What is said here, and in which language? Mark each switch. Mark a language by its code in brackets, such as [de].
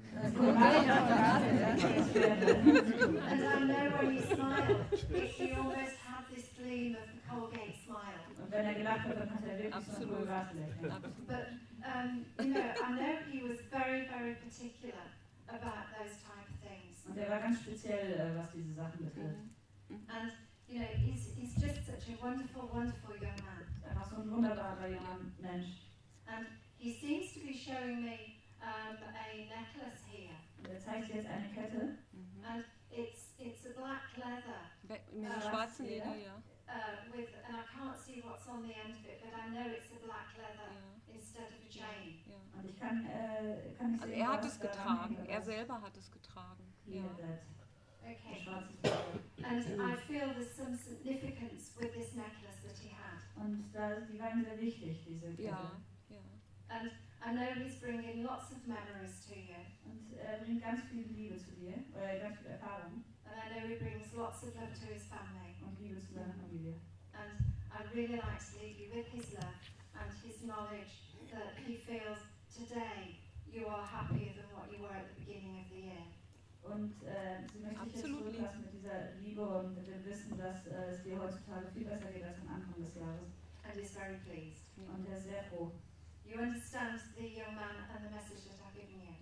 [en] And I know when you smile, he almost had this gleam of the Colgate smile. But, you know, I know he was very, very particular about those type of things. [de] Und er war ganz speziell, was diese Sachen betrifft. Mm-hmm. [en] And, you know, he's just such a wonderful, wonderful young man. [de] Er war so ein wunderbarer junger Mensch. [en] And he seems to be showing me a necklace here. [de] Und er zeigt jetzt eine Kette. Mm-hmm. [en] And it's a black leather. [de] Mit einem schwarzen Leder, ja. [en] And I can't see what's on the end of it, but I know it's a black leather. Yeah. Instead of a chain. Yeah. [de] Und ich kann nicht sehen, er hat es getragen. Er selber hat es getragen. [en] Yeah. Okay. And I feel there's some significance with this necklace that he had. [de] Und die waren sehr wichtig, diese Kette. Ja. [en] And I know he's bringing lots of memories to you. [de] Und er bringt ganz viel Liebe zu dir, oder ganz viel Erfahrung. [en] And I know he brings lots of love to his family. [de] Und Liebe zu seiner Familie. [en] And I'd really like to leave you with his love and his knowledge that he feels today you are happier than what you were at the beginning of the year. [de] Und sie möchte dich jetzt zurücklassen mit dieser Liebe und mit dem Wissen, dass es dir heutzutage viel besser geht als am Anfang des Jahres. [en] And he's very pleased. [de] Yeah. Und er ist sehr froh. [en] You understand the young man and the message that I've given you?